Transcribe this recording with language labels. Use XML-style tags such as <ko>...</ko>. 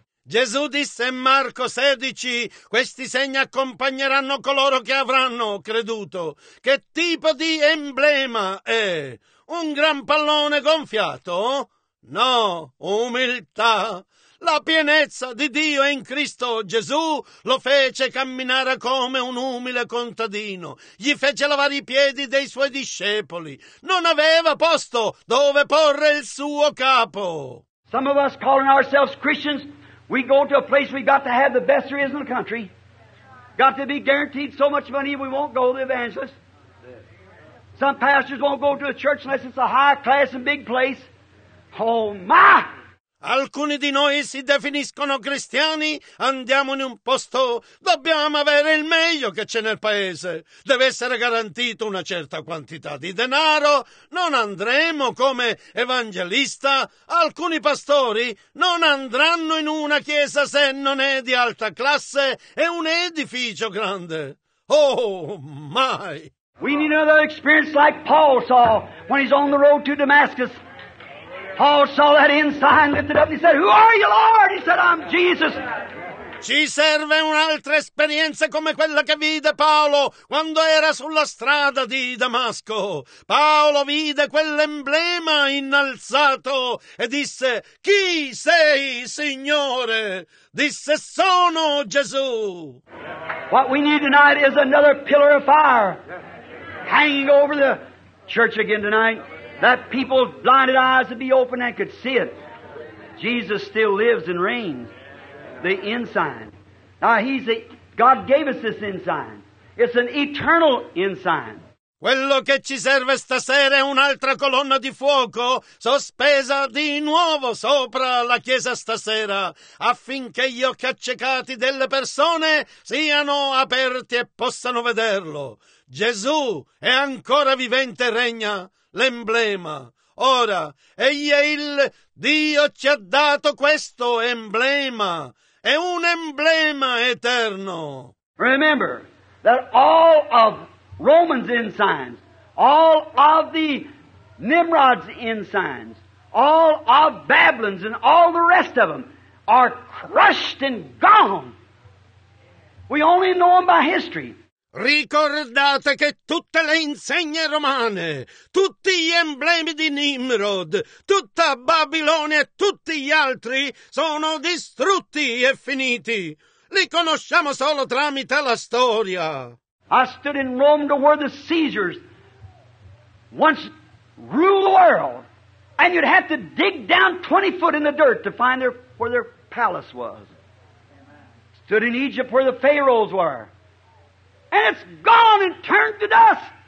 <it>Gesù disse in Marco 16, questi segni accompagneranno coloro che avranno creduto. Che tipo di emblema è? Un gran pallone gonfiato? No, umiltà. La pienezza di Dio in Cristo Gesù lo fece camminare come un umile contadino. Gli fece lavare i piedi dei suoi discepoli. Non aveva posto dove porre il suo capo.</it> <en>Some of us calling ourselves Christians, we go to a place we got to have the best there is in the country. Got to be guaranteed so much money we won't go to the evangelist. Some pastors won't go to a church unless it's a high class and big place. Oh my!</en> <it>Alcuni di noi si definiscono cristiani, andiamo in un posto, dobbiamo avere il meglio che c'è nel paese. Deve essere garantito una certa quantità di denaro, non andremo come evangelista. Alcuni pastori non andranno in una chiesa se non è di alta classe e un edificio grande. Oh, mai!</it> <en>We need another experience like Paul saw when he's on the road to Damascus. Paul saw that ensign lifted up and he said, "Who are you, Lord?" He said, "I'm Jesus."</en> <it>Ci serve un'altra esperienza come quella che vide Paolo quando era sulla strada di Damasco. Paolo vide quell'emblema innalzato e disse, "Chi sei, Signore?" Disse, "Sono Gesù."</it> <en>What we need tonight is another pillar of fire hanging over the church again tonight, that people's blinded eyes would be open and could see it. Jesus still lives and reigns. The ensign. Now, God gave us this ensign. It's an eternal ensign.</en> <it>Quello che ci serve stasera è un'altra colonna di fuoco sospesa di nuovo sopra la chiesa stasera, affinché gli occhi accecati delle persone siano aperti e possano vederlo. Gesù è ancora vivente e regna l'emblema. Ora, egli è il Dio, ci ha dato questo emblema. È un emblema eterno.</it> <en>Remember that all of Romans' ensigns, all of the Nimrod's ensigns, all of Babylon's and all the rest of them are crushed and gone. We only know them by history.</en> <it>Ricordate che tutte le insegne romane, tutti gli emblemi di Nimrod, tutta Babilonia e tutti gli altri sono distrutti e finiti. Li conosciamo solo tramite la storia.</it> <en>I stood in Rome to where the Caesars once ruled the world, and you'd have to dig down 20 foot in the dirt to find where their palace was. Stood in Egypt where the pharaohs were. And it's gone and turned to dust.</en>